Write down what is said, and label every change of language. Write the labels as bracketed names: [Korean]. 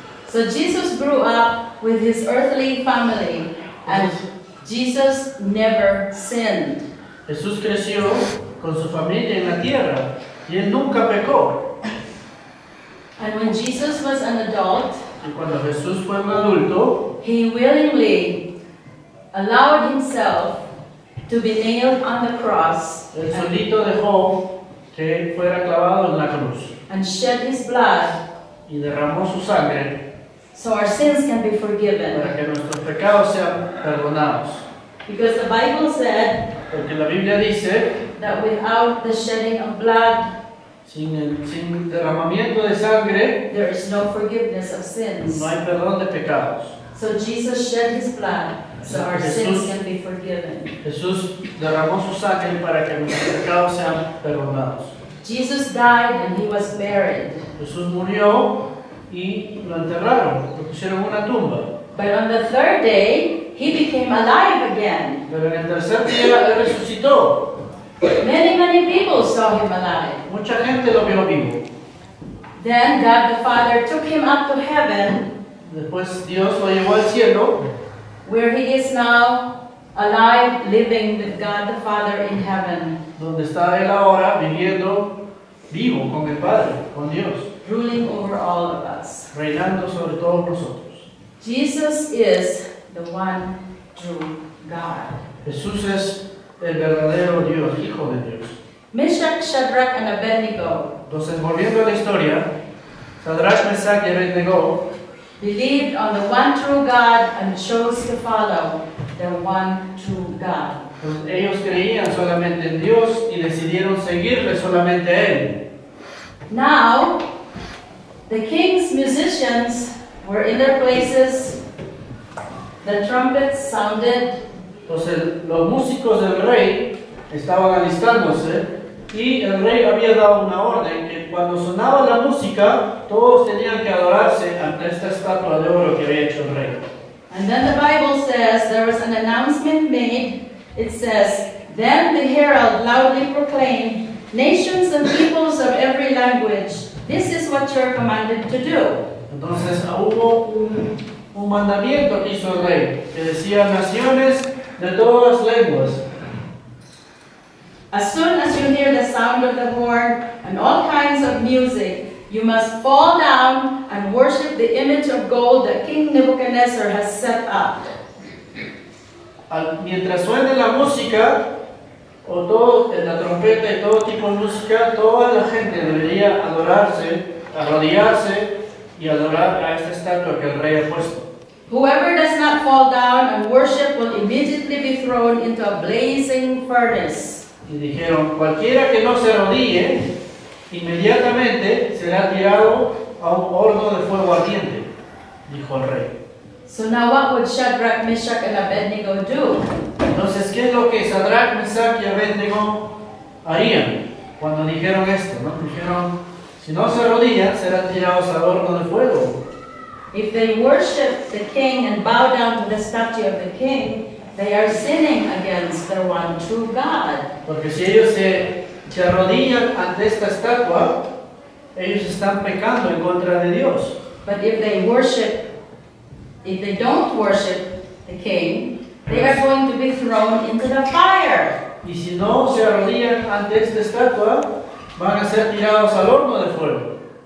[English] So Jesus grew up with His earthly family and Jesus never sinned. [Spanish] Jesús creció con su familia en la tierra y Él nunca pecó. [English] And when Jesus was an adult, [Spanish] y cuando Jesús fue un adulto, [English] He willingly allowed Himself to be nailed on the cross. [Spanish] Él solito dejó que fuera clavado en la cruz. [English] And shed His blood. [Spanish] Y derramó su sangre. [English] So our sins can be forgiven. [Spanish] Para que nuestros pecados sean perdonados. [English] Because the Bible said, [Spanish] porque la Biblia dice, [English] that without the shedding of blood, [Spanish] sin derramamiento de sangre, [English] there is no forgiveness of sins. [Spanish] No hay perdón de pecados. [English] So Jesus shed His blood, so our sins can be forgiven. [Spanish] Jesús derramó su sangre para que nuestros pecados sean perdonados. [English] Jesus died and He was buried. [Spanish] Jesús murió y lo enterraron, lo pusieron en una tumba. [English] But on the third day, He became alive again. [Spanish] Pero en el tercer día, Él resucitó. [English] Many, many people saw Him alive. [Spanish] Mucha gente lo vio vivo. [English] Then God the Father took Him up to heaven. [Spanish] Después Dios lo llevó al cielo. [English] Where He is now alive, living with God the Father in heaven. [Spanish] Donde está Él ahora, viviendo vivo con el Padre, con Dios. [English] Ruling over all of us. [Spanish] Reinando sobre todos nosotros. [English] Jesus is the one true God. [Spanish] Jesús es el verdadero Dios, Hijo de Dios. [English] Meshach, Shadrach, and Abednego. [Spanish] Entonces, volviendo a la historia, Shadrach, Meshach, y Abednego [English] believed on the one true God and chose to follow the one true God. [Spanish] Pues ellos creían solamente en Dios y decidieron seguirle solamente a Él. [English] Now, the king's musicians were in their places. The trumpets sounded. [Spanish] Entonces los músicos del rey estaban alistándose y el rey había dado una orden que cuando sonaba la música todos tenían que adorarse ante esta estatua de oro que había hecho el rey. [English] And then the Bible says there was an announcement made. It says, then the herald loudly proclaimed, nations and peoples of every language, this is what you're commanded to do. [Spanish] Entonces hubo un mandamiento que hizo el rey, que decía naciones de todas las lenguas. [English] As soon as you hear the sound of the horn and all kinds of music, you must fall down and worship the image of gold that King Nebuchadnezzar has set up. [Spanish] Mientras suene la música, o todo, la trompeta y todo tipo de música, toda la gente debería adorarse, arrodillarse y adorar a esta estatua que el rey ha puesto. [English] Whoever does not fall down and worship will immediately be thrown into a blazing furnace. [Spanish] Y dijeron, cualquiera que no se arrodille, inmediatamente será tirado a un horno de fuego ardiente, dijo el rey. [English] So now what would Shadrach, Meshach, and Abednego do? [Spanish] Entonces, ¿qué es lo que Shadrach, Meshach y Abednego harían cuando dijeron esto? ¿No? Dijeron, si no se arrodillan, serán tirados al horno de fuego. [English] If they worship the king and bow down to the statue of the king, they are sinning against the one true God. [Spanish] Porque si ellos se arrodillan ante esta estatua, ellos están pecando en contra de Dios. [English] But if they don't worship the king, they are going to be thrown into the fire. [Spanish] Y si no se arrodillan ante esta estatua, van a ser tirados al horno de fuego.